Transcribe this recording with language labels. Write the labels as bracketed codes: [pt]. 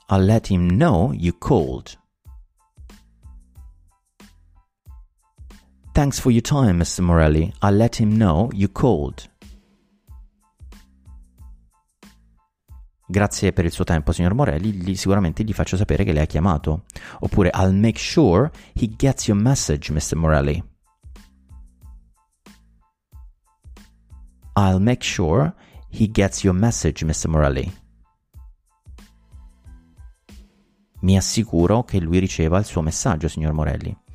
[en] I'll let him know you called. Thanks for your time, Mr. Morelli. I'll let him know you called. [it] Grazie per il suo tempo, signor Morelli. Sicuramente gli faccio sapere che lei ha chiamato. Oppure, [en] I'll make sure he gets your message, Mr. Morelli. I'll make sure he gets your message, Mr. Morelli. [it] Mi assicuro che lui riceva il suo messaggio, signor Morelli.